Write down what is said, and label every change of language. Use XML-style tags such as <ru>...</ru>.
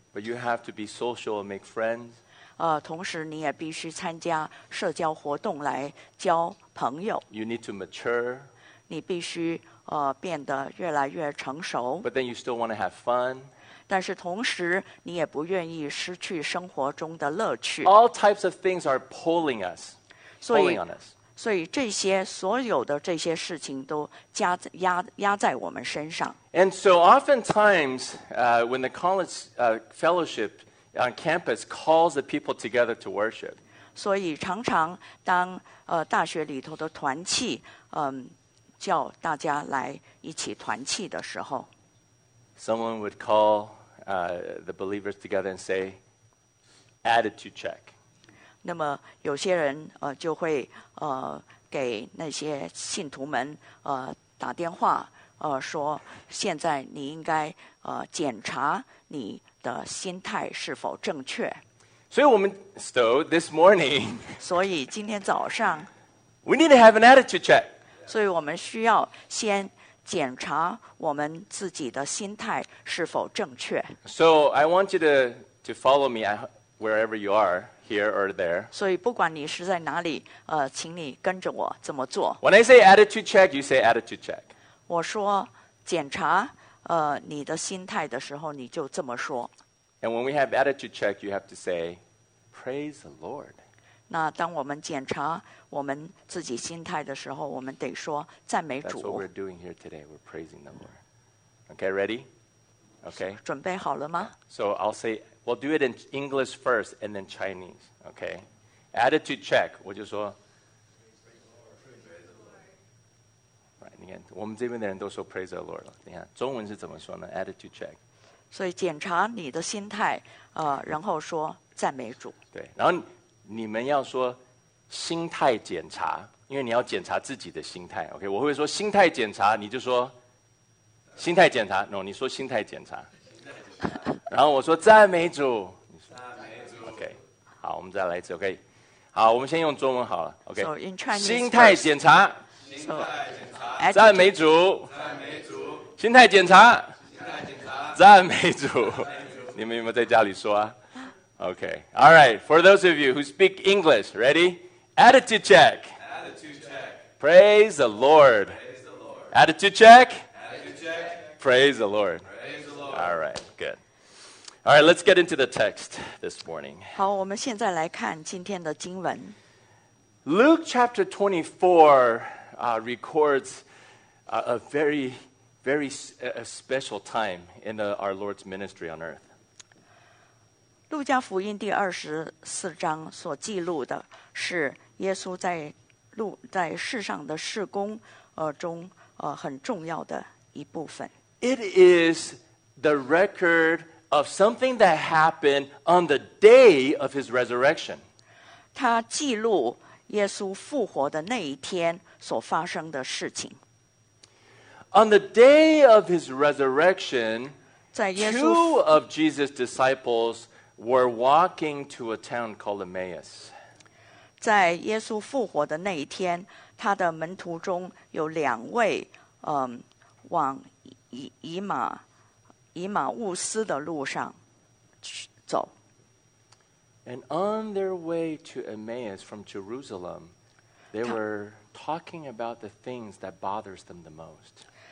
<en>But you have to be social and make friends.</en> <zh>同时你也必须参加社交活动来交朋友。</zh> <en>You need to mature.</en> <zh>你必须变得越来越成熟。</zh> <en>But then you still want to have fun.</en> <zh>但是同时你也不愿意失去生活中的乐趣。</zh> <en>All types of things are pulling us, pulling on us.</en> <zh>所以这些所有的这些事情都压在我们身上。</zh> <en>And so oftentimes, when the college fellowship on campus calls the people together to worship.</en> <zh>所以常常当大学里头的团契叫大家来一起团契的时候。</zh> <en>Someone would call the believers together and say, attitude check.</en> <zh>那么有些人就会给那些信徒们打电话说现在你应该检查你的心态是否正确。所以我们</zh> <en>so this morning,</en> <zh>所以今天早上</zh> <en>we need to have an attitude check.</en> <zh>所以我们需要先检查我们自己的心态是否正确。</zh> <en>So I want you to follow me wherever you are, here or there.</en> <zh>所以不管你是在哪里，请你跟着我这么做。</zh> <en>When I say attitude check, you say attitude check.</en> <zh>我说检查你的心态的时候，你就这么说。</zh> <en>And when we have attitude check, you have to say, praise the Lord.</en> <zh>那当我们检查我们自己心态的时候，我们得说赞美主。</zh> <en>That's what we're doing here today. We're praising the Lord. Okay, ready? Okay.</en> <zh>准备好了吗</zh> <en>？So I'll say, we'll do it in English first and then Chinese. Okay. Attitude check.</en> <zh>我就说。 Right, 你看，我们这边的人都说</zh> <en>praise the Lord</en> <zh>了。你看，中文是怎么说呢 ？</zh> <en>Attitude check.</en> <zh>所以检查你的心态，然后说赞美主。对，然后你们要说。心态检查，因为你要检查自己的心态。 OK， 我会说心态检查，你就说心态检查。 No， 你说心态检查。然后我说赞美主。赞美主。 OK， 好，我们再来一次。OK， 好，我们先用中文好了。</zh> <en>OK， so, in Chinese,</en> <zh>心态检查。心态检查。赞美主。赞美主。心态检查。心态检查。赞美主。你们有没有在家里说啊？</zh> <en>Okay, all right, for those of you who speak English, ready? Attitude check. Attitude check. Praise the Lord. Praise the Lord. Attitude check. Attitude check. Praise the Lord. Praise the Lord. All right, good. All right, let's get into the text this morning.</en> <zh>好，我们现在来看今天的经文。</zh> <en>Luke chapter 24 records a very, very a special time in our Lord's ministry on earth.</en> <zh>路加福音第二十四章所记录的是耶稣在世上的事工中很重要的一部分。</zh> <en>It is the record of something that happened on the day of his resurrection. 他记录耶稣复活的那一天所发生的事情。 On the day of his resurrection, two of Jesus' disciples. We're walking to a town called Emmaus.</en> <zh>在耶稣复活的那一天，他的门徒中有两位，往以马忤斯的路上走。</zh> <en>And on their way to Emmaus from Jerusalem, they were talking about the things that bothers them the most.</en>